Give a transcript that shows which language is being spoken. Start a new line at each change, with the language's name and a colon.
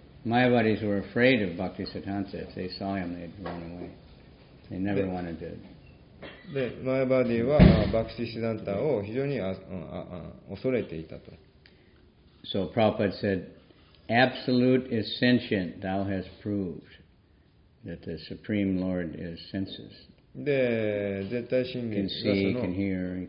English: Mayavadis were afraid of Bhaktisiddhanta. If they saw him, they'd run away. They never wanted to.
Japanese: で、MayavadiはBhaktisiddhantaを非常に恐れていたと。
English: So Prabhupada said, Absolute is sentient, thou hast proved. That the Supreme Lord is senses.
Japanese: で、絶対真理がその、
English: can hear,